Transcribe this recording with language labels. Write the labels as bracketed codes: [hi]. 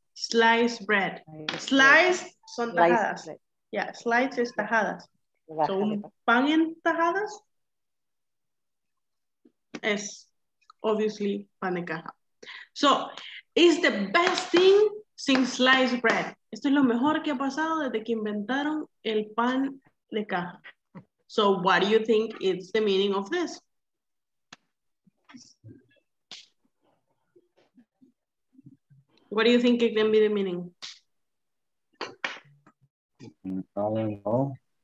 [en] Sliced bread. Sliced [es] son tajadas. [en] Yeah, sliced is tajadas. So [es] pan en tajadas? [en] Is obviously [es] pan de caja. [en] So, it's the best thing since sliced bread. [es] Esto es lo mejor que ha pasado desde que inventaron el pan de caja. [en] So, what do you think is the meaning of this? What do you think it can be the meaning? I don't know.